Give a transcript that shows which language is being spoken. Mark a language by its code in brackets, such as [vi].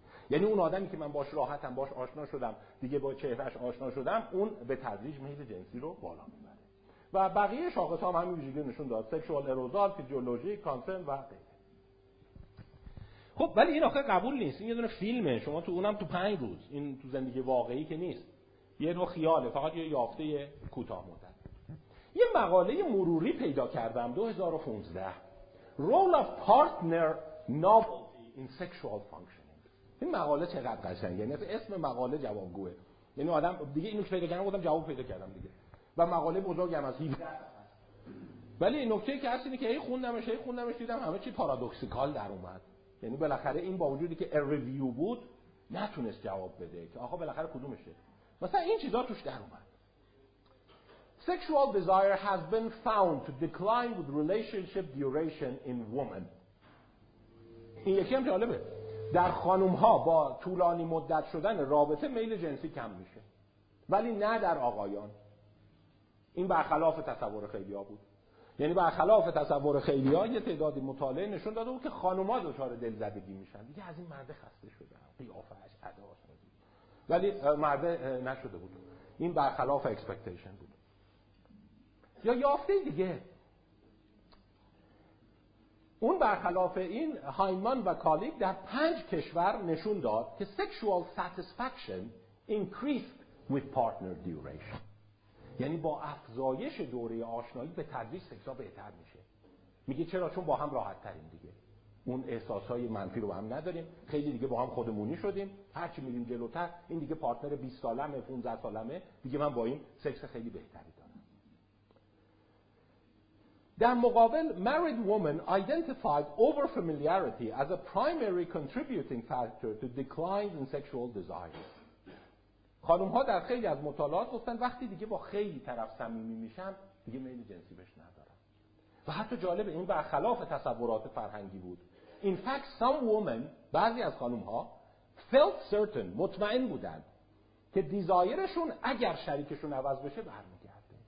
[fa] یعنی اون آدمی که من باش راحتم، باش آشنا شدم، دیگه با چهرهش آشنا شدم، اون به تدریج میل جنسی رو بالا میبره. و بقیه شاخص ها هم همین ویژگی نشون داد، سکشوال اروزال، فیزیولوژی، کانسرن و غیره. خب ولی این آخه قبول نیست، این یه دونه فیلمه، شما تو اونم تو 5 روز، این تو زندگی واقعی که نیست، یه نوع خیاله، فقط یه یافته کوتاه مدت. یه مقاله مروری پیدا کردم [en] 2015، Role of Partner Novelty in Sexual Functioning. [fa] این مقاله چقدر قشنگه، یعنی اسم مقاله جوابگوه، یعنی آدم دیگه اینو که پیدا کردم بودم جواب پیدا کردم دیگه، و مقاله بزرگی هم از 17. ولی نکته که هست اینه که ای خوندمش دیدم همه چی پارادوکسیکال در اومد. یعنی بالاخره این با وجودی که ریویو بود نتونست جواب بده که آخه بالاخره کدومشه. مثلا این چیزا توش در اومد: [en] Sexual desire has been found to decline with relationship duration in women. [fa] این یکی هم جالبه، در خانوم ها با طولانی مدت شدن رابطه میل جنسی کم میشه، ولی نه در آقایان. این برخلاف تصور خیلی ها بود، یعنی برخلاف تصور خیلی ها، یه تعدادی مطالعه نشون داده بود که خانوما دچار دلزدگی میشن، دیگه از این مرد خسته شدن، قیافه‌اش، اداش، ولی مرد نشده بود، این برخلاف اکسپکتیشن بود. یا یافته دیگه، اون برخلاف این، هایمان و کالیگ در 5 کشور نشون داد که [en] sexual satisfaction increased with partner duration، [fa] یعنی با افزایش دوره آشنایی به تدریج سکسا بهتر میشه. میگه چرا؟ چون با هم راحت تریم دیگه، اون احساسهای منفی رو با هم نداریم، خیلی دیگه با هم خودمونی شدیم، هرچی میریم جلوتر این دیگه پارتنر 20 سالمه 15 سالمه، دیگه من با این سکس خیلی بهتری دارم. در مقابل [en] married woman identified over familiarity as a primary contributing factor to decline in sexual desire. [fa] خانوم ها در خیلی از مطالعات گفتن وقتی دیگه با خیلی طرف صمیمی میشم دیگه میل جنسی بهش ندارم. و حتی جالبه، این برخلاف تصورات فرهنگی بود. [en] In fact some women، [fa] بعضی از خانوم ها، [en] felt certain، [fa] مطمئن بودند که دیزایرشون اگر شریکشون عوض بشه برمیگرده.